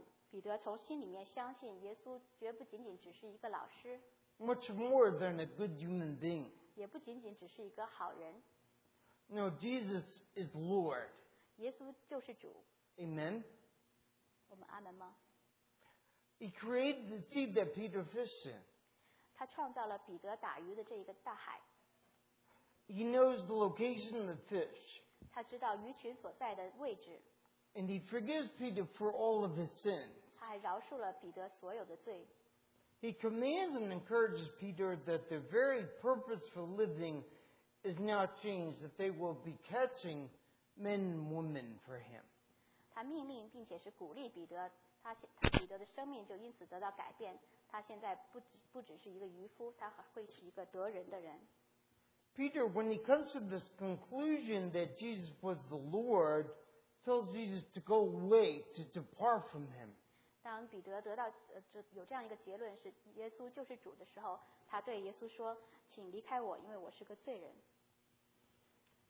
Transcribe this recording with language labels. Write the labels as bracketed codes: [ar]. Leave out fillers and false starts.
[zh] 彼得从心里面相信耶稣绝不仅仅只是一个老师。 [en] Much more than a good human being. [zh] 也不仅仅只是一个好人。 [en] No, Jesus is Lord. [zh] 耶稣就是主。 [en] Amen. [zh] 我们阿门吗？ [en] He created the sea that Peter fished in. [zh] 他创造了彼得打鱼的这一个大海。 [en] He knows the location of the fish. [zh] 他知道鱼群所在的位置。 [en] And he forgives Peter for all of his sins. [zh] 他还饶恕了彼得所有的罪。 [en] He commands and encourages Peter that their very purpose for living is now changed, that they will be catching men and women for him. [zh] 他命令并且是鼓励彼得，他彼得的生命就因此得到改变。他现在不只是一个渔夫，他会是一个得人的人。 [en] Peter, when he comes to this conclusion that Jesus was the Lord, tells Jesus to go away, to depart from him. [zh] 当彼得得到有这样一个结论是耶稣就是主的时候，他对耶稣说：“请离开我，因为我是个罪人。”